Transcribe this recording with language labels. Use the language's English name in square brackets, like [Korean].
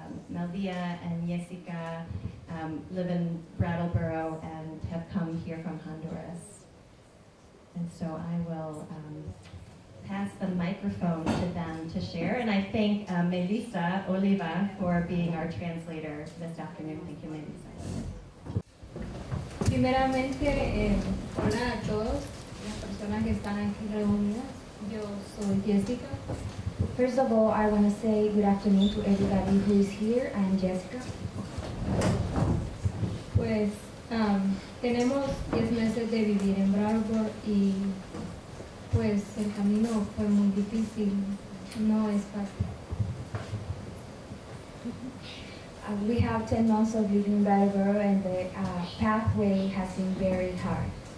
[English] Melvia and Jessica live in Brattleboro and have come here from Honduras. And so I will pass the microphone to them to share. And I thank Melissa Oliva for being our translator this afternoon. Thank you, Melissa. [Spanish] Primeramente, hola a todos las personas que están aquí reunidas. Yo soy Jessica. [English] First of all, I want to say good afternoon to everybody who is here. I'm Jessica. [Spanish] Pues, tenemos 10 meses de vivir en Bravo y pues el camino fue muy difícil, no es fácil. [English] We have 10 months of living in Brattleboro and the pathway has been very hard.